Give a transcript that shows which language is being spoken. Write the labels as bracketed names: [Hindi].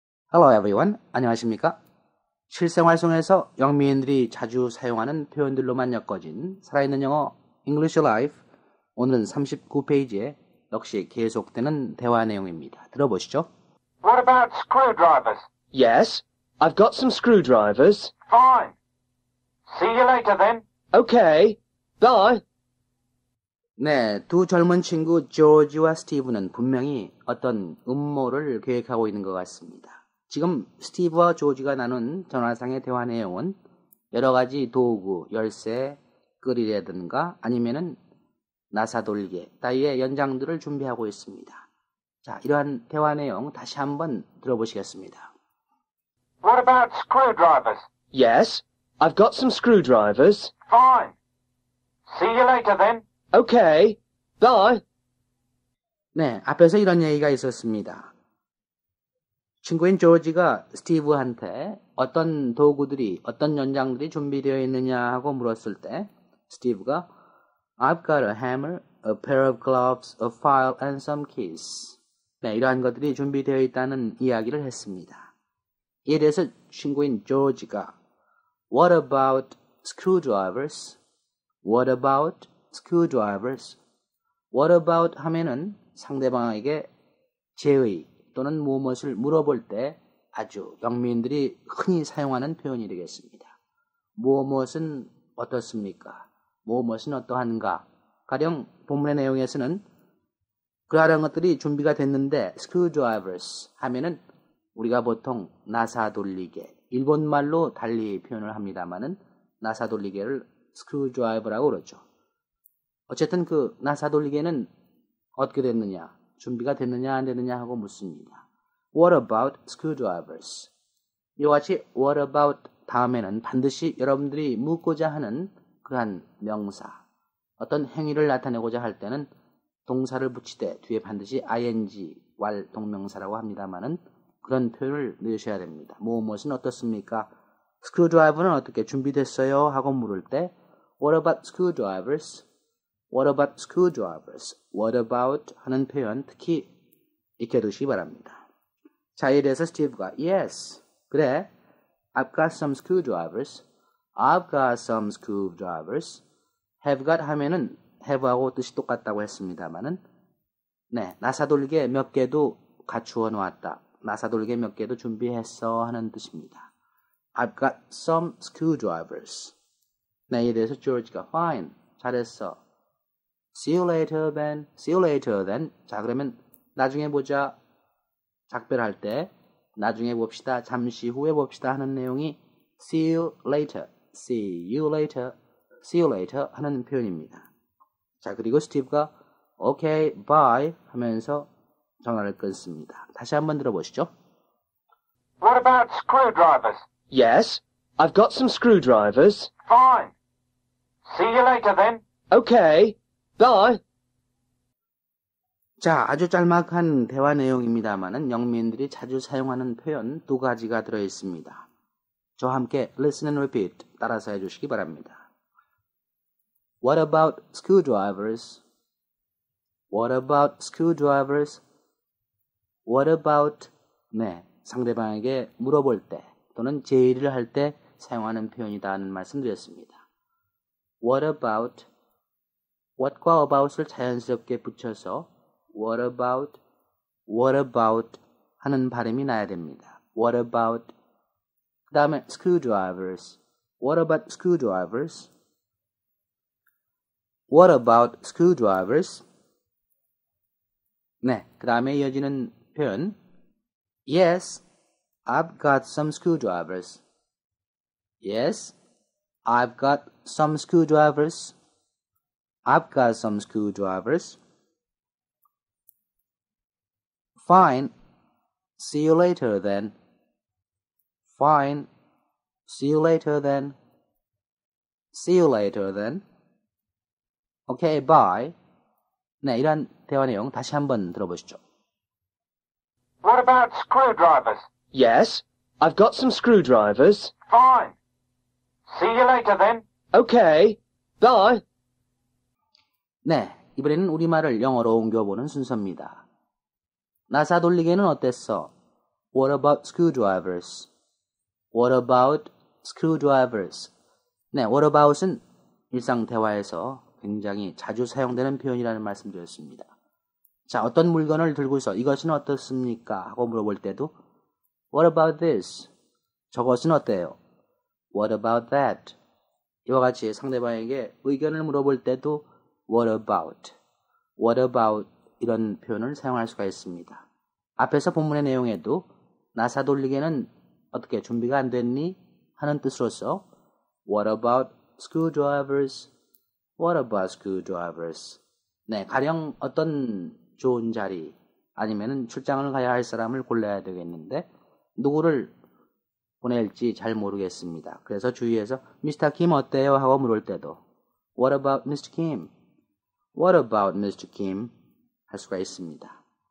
[English] Hello everyone, [Korean] 안녕하십니까? 실생활 속에서 영미인들이 자주 사용하는 표현들로만 엮어진 살아있는 영어 English Life 오늘은 39페이지에 역시 계속되는 대화 내용입니다. 들어보시죠. [English] What about screwdrivers? Yes, I've got some screwdrivers. Fine. See you later then. Okay, bye. [Korean] 네, 두 젊은 친구 조지와 스티브는 분명히 어떤 음모를 계획하고 있는 것 같습니다. 지금 스티브와 조지가 나눈 전화상의 대화 내용은 여러 가지 도구, 열쇠, 끌이라든가 아니면은 나사 돌기 따위의 연장들을 준비하고 있습니다. 자, 이러한 대화 내용 다시 한번 들어보시겠습니다. [English] What about screwdrivers? Yes, I've got some screwdrivers. Fine. See you later then. Okay. Bye. [Korean] 네, 앞에서 이런 얘기가 있었습니다. 친구인 조지가 스티브한테 어떤 도구들이, 어떤 연장들이 준비되어 있느냐고 물었을 때 스티브가 [English] I've got a hammer, a pair of gloves, a file and some keys. [Korean] 네, 이러한 것들이 준비되어 있다는 이야기를 했습니다. 이에 대해서 친구인 조지가 [English] What about screwdrivers? What about screwdrivers? [Korean] What about 하면은 상대방에게 제의 또는 무엇을 물어볼 때 아주 영미인들이 흔히 사용하는 표현이 되겠습니다. 무엇은 어떻습니까? 무엇은 어떠한가? 가령 본문의 내용에서는 그러한 것들이 준비가 됐는데 screwdrivers 하면은 우리가 보통 나사 돌리개 일본말로 달리 표현을 합니다만은 나사 돌리개를 screwdriver라고 그러죠. 어쨌든 그 나사 돌리개는 어떻게 됐느냐? 준비가 됐느냐 안 됐느냐 하고 묻습니다. [English] What about screwdrivers? [Korean] 이와 같이 What about 다음에는 반드시 여러분들이 묻고자 하는 그러한 명사 어떤 행위를 나타내고자 할 때는 동사를 붙이되 뒤에 반드시 ing, 왈 동명사라고 합니다만은 그런 표현을 넣으셔야 됩니다. 무엇은 어떻습니까? screwdriver는 어떻게 준비됐어요? 하고 물을 때 [English] What about screwdrivers? What about screwdrivers? [Korean] What about 하는 표현 특히 익혀두시기 바랍니다. 자, 이에 대해서 스티브가 Yes, 그래. [English] I've got some screwdrivers. I've got some screwdrivers. [Korean] Have got 하면은 have하고 뜻이 똑같다고 했습니다만은 네, 나사 돌게 몇 개도 갖추어 놓았다. 나사 돌게 몇 개도 준비했어 하는 뜻입니다. [English] I've got some screwdrivers. [Korean] 네, 이에 대해서 조지가 Fine, 잘했어. [English] See you later, then. See you later, then. [Korean] 자, 그러면 나중에 보자. 작별할 때 나중에 봅시다. 잠시 후에 봅시다 하는 내용이 See you later. [English] See you later. See you later [Korean] 하는 표현입니다. 자, 그리고 스티브가 [English] Okay, bye [Korean] 하면서 전화를 끊습니다. 다시 한번 들어보시죠. [English] What about screwdrivers? Yes, I've got some screwdrivers. Fine. See you later, then. Okay. Bye. [Korean] 자, 아주 짤막한 대화 내용입니다만은 영미인들이 자주 사용하는 표현 두 가지가 들어 있습니다. 저와 함께 listen and repeat 따라서 해주시기 바랍니다. [English] What about screwdrivers? What about screwdrivers? [Korean] What about 네, 상대방에게 물어볼 때 또는 제의를 할 때 사용하는 표현이다 하는 말씀드렸습니다. What about What과 about을 자연스럽게 붙여서 What about, what about 하는 발음이 나야 됩니다. [English] What about, [Korean] 그 다음에 [English] screwdrivers. What about screwdrivers? What about screwdrivers? [Korean] 네, 그 다음에 이어지는 표현 [English] Yes, I've got some screwdrivers. Yes, I've got some screwdrivers. I've got some screwdrivers. Fine. See you later then. Fine. See you later then. See you later then. Okay, bye. [Korean] 네, 이런 대화 내용 다시 한번 들어보시죠. [English] What about screwdrivers? Yes, I've got some screwdrivers. Fine. See you later then. Okay, bye. [Korean] 네, 이번에는 우리말을 영어로 옮겨보는 순서입니다. 나사 돌리개는 어땠어? [English] What about screwdrivers? What about screwdrivers? [Korean] 네, what about은 일상 대화에서 굉장히 자주 사용되는 표현이라는 말씀드렸습니다. 자, 어떤 물건을 들고서 이것은 어떻습니까? 하고 물어볼 때도 [English] What about this? [Korean] 저것은 어때요? [English] What about that? [Korean] 이와 같이 상대방에게 의견을 물어볼 때도 What about? [English] What about? [Korean] 이런 표현을 사용할 수가 있습니다. 앞에서 본문의 내용에도 나사 돌리기에는 어떻게 준비가 안 됐니? 하는 뜻으로서 [English] What about screwdrivers? What about screwdrivers? [Korean] 네, 가령 어떤 좋은 자리 아니면 출장을 가야 할 사람을 골라야 되겠는데 누구를 보낼지 잘 모르겠습니다. 그래서 주위에서 Mr. Kim 어때요? 하고 물을 때도 What about Mr. [English] Kim? What about Mr. Kim? [Korean] 할 수가 있습니다.